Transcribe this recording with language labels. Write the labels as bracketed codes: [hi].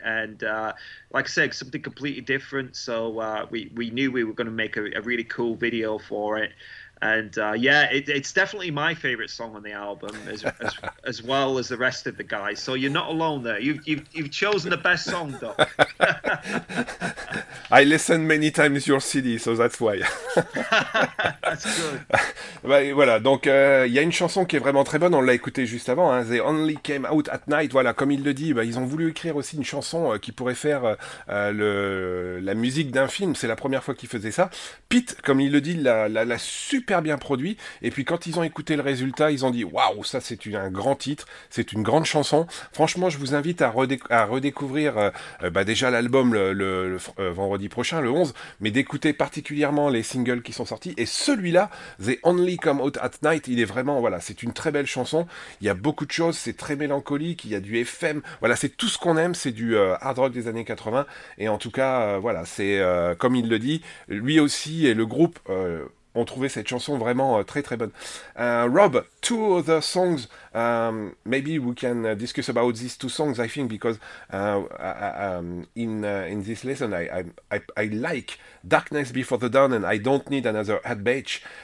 [en] And like I said, something completely different. So we knew we were going to make a really cool video for it. And it's definitely my favorite song on the album, as well as the rest of the guys. So you're not alone there. You've chosen the best song, Doc. I listened many times your CD, so that's why. That's good. [fr] Bah, voilà, donc il y a une chanson qui est vraiment très bonne, on l'a écoutée juste avant, hein, They Only Came Out At Night, voilà, comme il le dit, bah, ils ont voulu écrire aussi une chanson qui pourrait faire la musique d'un film, c'est la première fois qu'ils faisaient ça. Pete, comme il le dit, la super hyper bien produit. Et puis quand ils ont écouté le résultat, ils ont dit waouh, ça c'est un grand titre, c'est une grande chanson. Franchement, je vous invite à redécouvrir déjà l'album vendredi prochain, le 11, mais d'écouter particulièrement les singles qui sont sortis. Et celui-là, The Only Come Out at Night, il est vraiment, voilà, c'est une très belle chanson. Il y a beaucoup de choses, c'est très mélancolique, il y a du FM, voilà, c'est tout ce qu'on aime, c'est du hard rock des années 80. Et en tout cas, voilà, c'est comme il le dit, lui aussi et le groupe ont trouvé cette chanson vraiment très très bonne. [en] Rob, two other songs, maybe we can discuss about these two songs, I think, because in this lesson I like Darkness Before the Dawn and I Don't Need Another Head Bitch.